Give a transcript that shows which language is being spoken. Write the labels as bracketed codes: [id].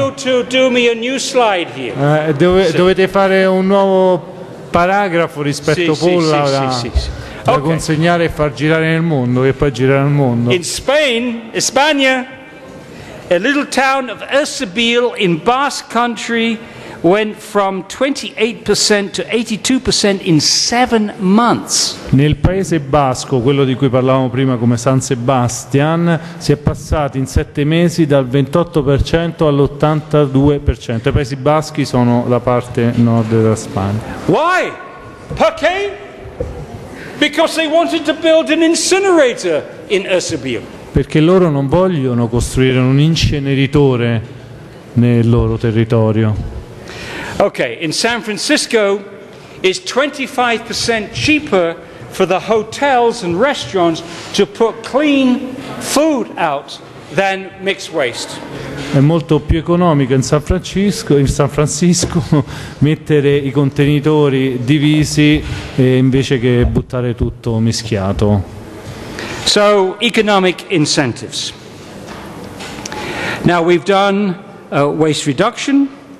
[en] You to do me a new slide here. [it] Dovete fare un nuovo paragrafo rispetto a Pulla da consegnare e far girare nel mondo e poi girare nel mondo. [en] In Spain, Spagna, a little town of Ercebil in Basque Country went from 28% to 82% in 7 months. [it] Nel paese basco, quello di cui parlavamo prima come San Sebastian, si è passati in 7 mesi dal 28% all'82%. I paesi baschi sono la parte nord della Spagna. [en] Why? [it] Perché? [en] Because they wanted to build an incinerator in Ercebil. [it] Perché loro non vogliono costruire un inceneritore nel loro territorio. [en] Okay, in San Francisco, it's 25% cheaper for the hotels and restaurants to put clean food out than mixed waste. [it] È molto più economico in San Francisco mettere i contenitori divisi invece che buttare tutto mischiato. [en] So, economic incentives. Now, we've done waste reduction.